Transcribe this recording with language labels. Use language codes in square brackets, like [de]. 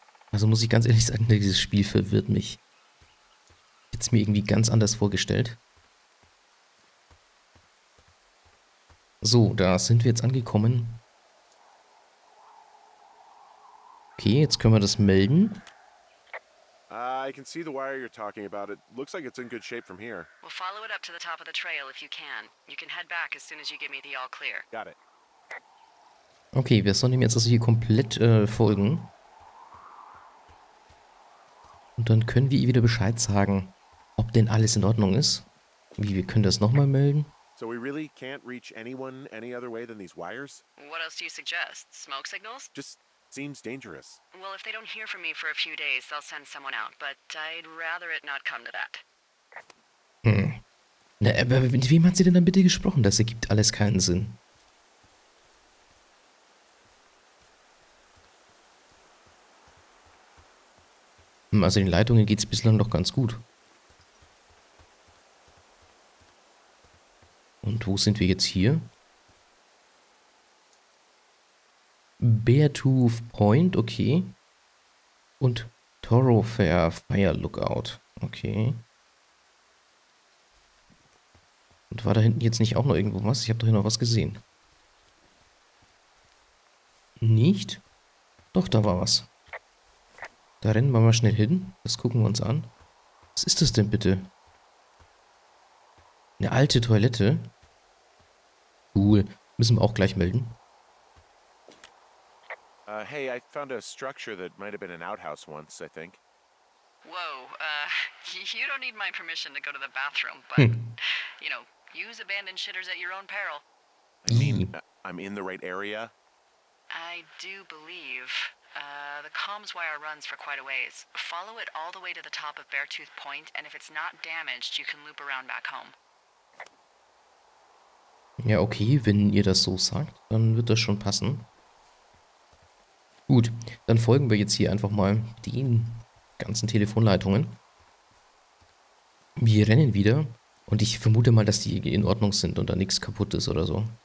[de] Also muss ich ganz ehrlich sagen, dieses Spiel verwirrt mich. Jetzt mir irgendwie ganz anders vorgestellt. So, da sind wir jetzt angekommen. Okay, jetzt können wir das melden. [en] I can see the wire you're talking about. It looks like it's in good shape from here. We'll follow it up to the top of the trail if you can. You can head back as soon as you give me the all clear. Got it. [de] Okay, wir sollen ihm jetzt also hier komplett folgen. Und dann können wir ihr wieder Bescheid sagen, ob denn alles in Ordnung ist. Wie, wir können das nochmal melden. [en] So we really can't reach anyone any other way than these wires? What else do you suggest? Smoke signals? Just seems dangerous. Well, if they don't hear from me for a few days, they'll send someone out, but I'd rather it not come to that. [de] Na, aber mit wem hat sie denn dann bitte gesprochen? Das ergibt alles keinen Sinn. Also den Leitungen geht es bislang doch ganz gut. Und wo sind wir jetzt hier? Beartooth Point, okay. Und Thoroughfare Fire Lookout, okay. Und war da hinten jetzt nicht auch noch irgendwo was? Ich habe doch hier noch was gesehen. Nicht? Doch, da war was. Da rennen wir mal schnell hin. Das gucken wir uns an. Was ist das denn bitte? Eine alte Toilette? Cool. Müssen wir auch gleich melden. [en] Hey, I found a structure that might have been an outhouse once, I think. Whoa, you don't need my permission to go to the bathroom, but, you know, use abandoned shitters at your own peril. I mean, I'm in the right area. I do believe, the comms wire runs for quite a ways. Follow it all the way to the top of Beartooth Point, and if it's not damaged, you can loop around back home. [de] Ja, okay, wenn ihr das so sagt, dann wird das schon passen. Gut, dann folgen wir jetzt hier einfach mal den ganzen Telefonleitungen. Wir rennen wieder und ich vermute mal, dass die in Ordnung sind und da nichts kaputt ist oder so.